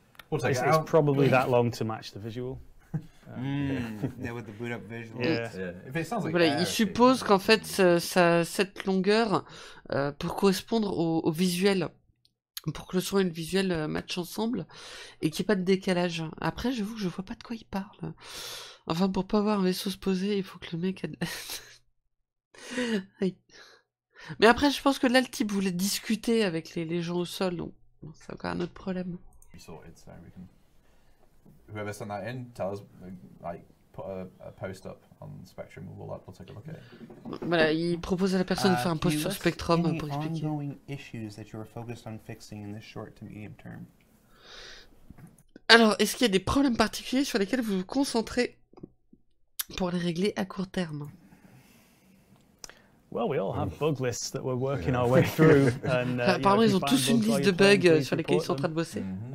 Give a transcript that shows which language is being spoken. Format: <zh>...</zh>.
<en>We'll it's probably that long to match the visual. Yeah, with the boot up visual. Yeah. If it sounds like</en> <fr>voilà, il suppose qu'en fait, cette longueur pour correspondre au visuel, pour que le son et le visuel matchent ensemble, et qu'il n'y ait pas de décalage. Après, j'avoue que je vois pas de quoi il parle. Enfin, pour pas avoir un vaisseau se poser, il faut que le mec... oui. Mais après, je pense que là, le type voulait discuter avec les gens au sol, donc c'est encore un autre problème.</fr> <en>Whoever sent that in, tell us, like, put a post up on Spectrum, we'll take a look at it.</en> <fr>Voilà, il propose à la personne de faire un post sur Spectrum pour expliquer.</fr> <en>Any ongoing issues that you are focused on fixing in the short to medium term?</en> <fr>Alors, est-ce qu'il y a des problèmes particuliers sur lesquels vous vous concentrez pour les régler à court terme?</fr> <en>Well, we all have bug lists that we're working our way through. And,</en> <fr>apparemment, ils ont tous une liste de bugs sur lesquels ils sont en train de bosser.</fr>